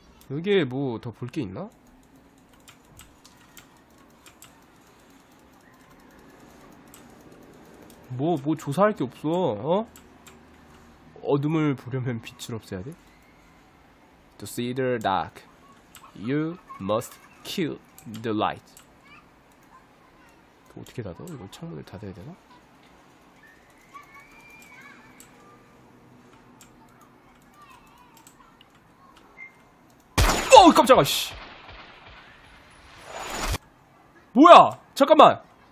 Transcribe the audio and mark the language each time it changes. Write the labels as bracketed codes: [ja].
[ko] 여기에 뭐더볼게 있나? 뭐 조사할 게 없어. 어? 어둠을 보려면 빛을 없애야 돼. [en] To see the dark, you must kill the light. [ko] 어떻게 닫아? 이걸 창문을 닫아야 되나? 깜짝아, 씨. 뭐야? 잠깐만.